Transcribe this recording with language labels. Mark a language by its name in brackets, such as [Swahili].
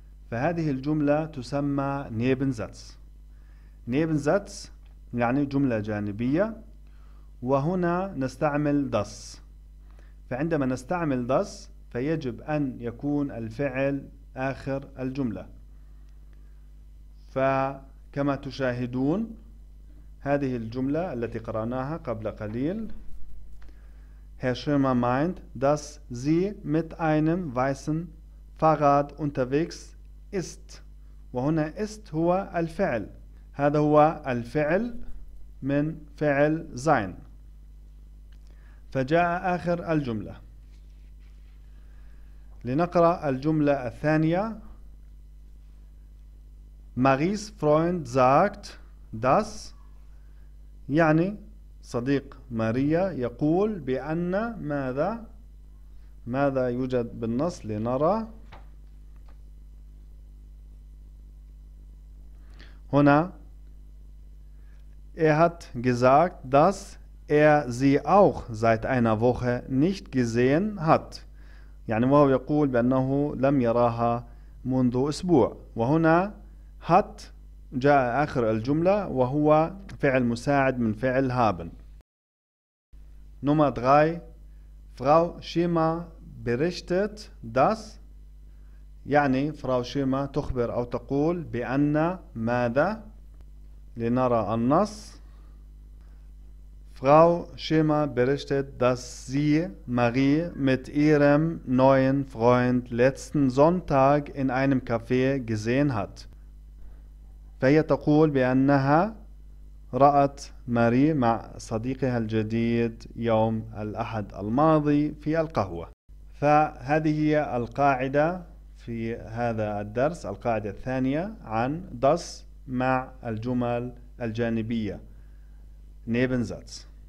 [Arabic] فهذه الجملة تسمى Nebensatz. Nebensatz يعني جملة جانبية، وهنا نستعمل das. فعندما نستعمل das فيجب أن يكون الفعل آخر الجملة. فكما تشاهدون هذه الجملة التي قرأناها قبل قليل، [German] Herr Schirmer meint, dass sie mit einem weißen Fahrrad unterwegs ist. [Arabic] وهنا ist هو الفعل، هذا هو الفعل من فعل sein، فجاء آخر الجملة. لنقرأ الجملة الثانية. [German] Maries Freund sagt das، [Arabic] يعني صديق ماريا يقول بأن ماذا. ماذا يوجد بالنص لنرى؟ هنا [German] Er hat gesagt, dass er sie auch seit einer Woche nicht gesehen hat. [Arabic] يعني وهو يقول بأنه لم يراها منذ أسبوع. وهنا hat جاء آخر الجملة وهو فعل مساعد من فعل haben. [German] Nummer 3. Frau Schirmer berichtet, dass [Arabic] يعني فراو شيما تخبر أو تقول بأن ماذا. لنرى النص. [German] فراو شيما berichtet, dass sie Marie mit ihrem neuen Freund letzten Sonntag in einem Café gesehen hat. [Arabic] فهي تقول بأنها رأت ماري مع صديقها الجديد يوم الأحد الماضي في القهوة. فهذه هي القاعدة في هذا الدرس، القاعدة الثانية عن das مع الجمل الجانبية Nebensatz.